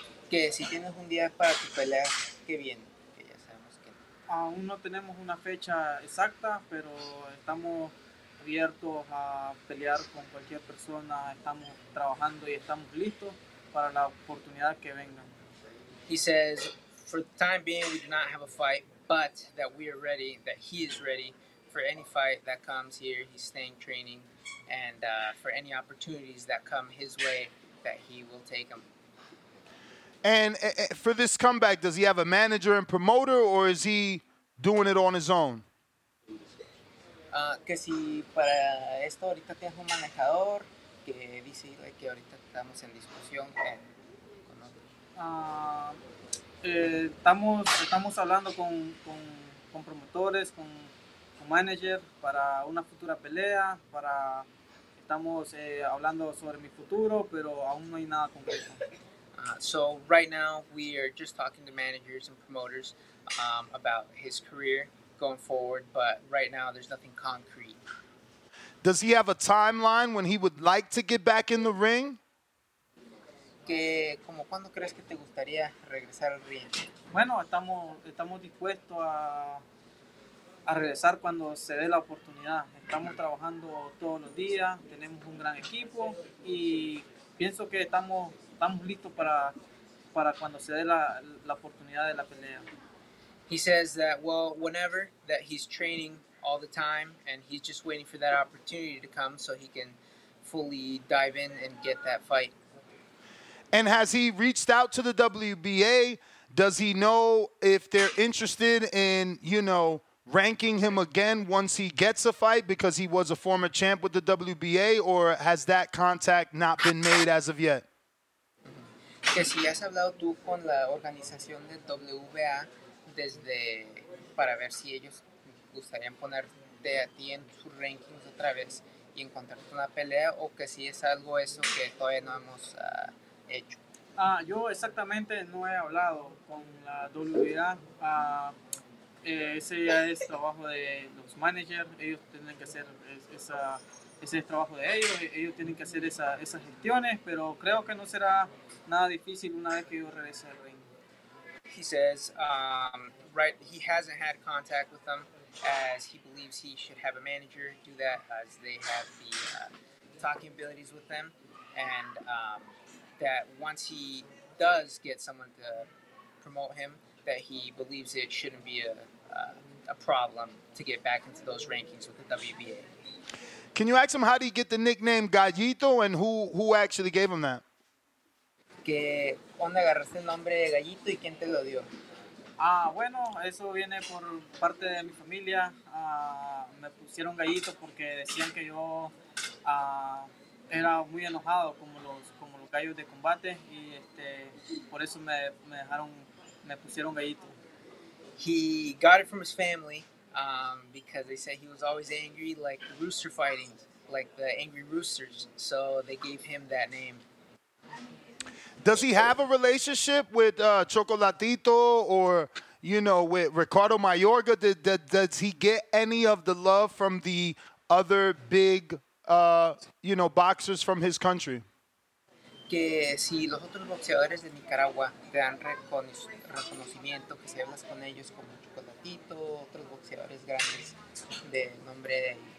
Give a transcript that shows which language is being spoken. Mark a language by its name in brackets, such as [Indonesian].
[Spanish] Que si tienes un día para tu pelea, qué bien, que ya sabemos que aún no tenemos una fecha exacta, pero estamos abiertos a pelear con cualquier persona, estamos trabajando y estamos listos para la oportunidad que venga. [English] He says, for the time being, we do not have a fight, but that we are ready, that he is ready for any fight that comes here. He's staying training, and for any opportunities that come his way, that he will take them. And for this comeback, does he have a manager and promoter, or is he doing it on his own? [Spanish] Que si para esto ahorita tienes un manejador, que dice que ahorita estamos en discusión con otro. Estamos hablando con promotores, con manager para una futura pelea, para estamos hablando sobre mi futuro, pero aún no hay nada concreto. [English] So right now we are just talking to managers and promoters about his career going forward, but right now there's nothing concrete. Does he have a timeline when he would like to get back in the ring? [Spanish] Que como cuando crees que te gustaría regresar al ring? Bueno, estamos dispuestos a regresar cuando se dé la oportunidad. Estamos trabajando todos los días, tenemos un gran equipo y pienso que estamos listos para cuando se dé la oportunidad de la pelea. [English] He says that, well, whenever, that he's training all the time and he's just waiting for that opportunity to come so he can fully dive in and get that fight. And has he reached out to the WBA? Does he know if they're interested in, you know, ranking him again once he gets a fight because he was a former champ with the WBA, or has that contact not been made as of yet? [Spanish] Que si has hablado tú con la organización de WBA desde para ver si ellos gustarían ponerte a ti en sus rankings otra vez y encontrarte una pelea, o que si es algo eso que todavía no hemos hecho. Yo exactamente no he hablado con la WBA. Ese ya es trabajo de los managers. Ellos tienen que hacer ese es trabajo de ellos. Ellos tienen que hacer esas gestiones, pero creo que no será nada difícil una vez que yo regrese al ring. [English] He says, right, he hasn't had contact with them, as he believes he should have a manager do that, as they have the talking abilities with them, and that once he does get someone to promote him, that he believes it shouldn't be a problem to get back into those rankings with the WBA. Can you ask him how did he get the nickname Gallito, and who actually gave him that? [Spanish] ¿Que dónde agarraste el nombre de Gallito y quién te lo dio? Ah, bueno, eso viene por parte de mi familia. Me pusieron Gallito porque decían que yo era muy enojado como los gallos de combate, y por eso me pusieron Gallito. [English] He got it from his family because they said he was always angry, like rooster fighting, like the angry roosters. So they gave him that name. Does he have a relationship with Chocolatito, or, you know, with Ricardo Mayorga? Does he get any of the love from the other big, boxers from his country? [Spanish] Que si los otros boxeadores de Nicaragua te dan reconocimiento, que si hablas con ellos como Chocolatito, otros boxeadores grandes de nombre de...